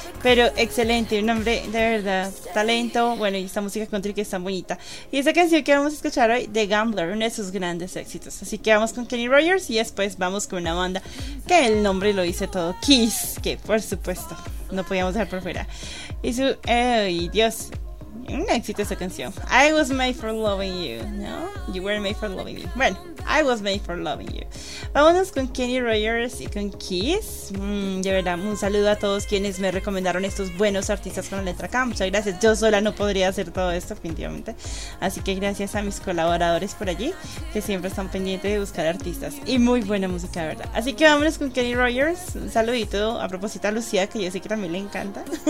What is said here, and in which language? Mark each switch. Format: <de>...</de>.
<es>Pero excelente, un hombre de verdad, talento, bueno, y esta música country que es tan bonita. Y esa canción que vamos a escuchar hoy, The Gambler, uno de sus grandes éxitos. Así que vamos con Kenny Rogers y después vamos con una banda que el nombre lo dice todo, Kiss, que por supuesto no podíamos dejar por fuera. Y su, Dios, un éxito esa canción.</es> <en>I was made for loving you, ¿no? You were made for loving me. Bueno, I was made for loving you.</en> <es>Vámonos con Kenny Rogers y con Kiss. De verdad, un saludo a todos quienes me recomendaron estos buenos artistas con la letra K. Muchas gracias. Yo sola no podría hacer todo esto, definitivamente. Así que gracias a mis colaboradores por allí, que siempre están pendientes de buscar artistas. Y muy buena música, de verdad. Así que vámonos con Kenny Rogers. Un saludito a propósito a Lucía, que yo sé que también le encanta.</es>